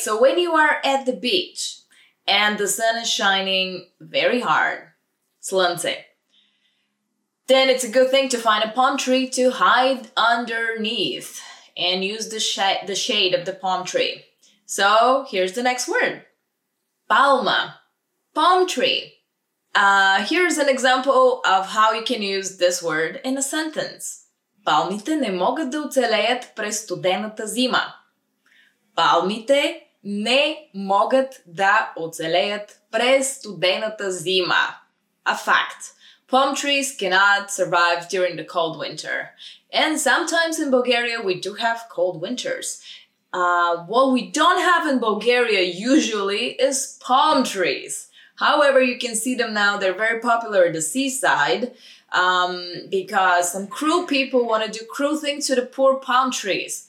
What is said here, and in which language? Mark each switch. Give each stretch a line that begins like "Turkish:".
English: So when you are at the beach and the sun is shining very hard, slunce, then it's a good thing to find a palm tree to hide underneath and use the shade of the palm tree. So here's the next word. Palma. Palm tree. Here's an example of how you can use this word in a sentence.
Bulgarian: Палмите не могат да оцелеят през студената зима. Палмите не могат да оцелеят през студената зима.
English: A fact. Palm trees cannot survive during the cold winter. And sometimes in Bulgaria we do have cold winters. What we don't have in Bulgaria usually is palm trees. However, you can see them now. They're very popular at the seaside because some cruel people want to do cruel things to the poor palm trees.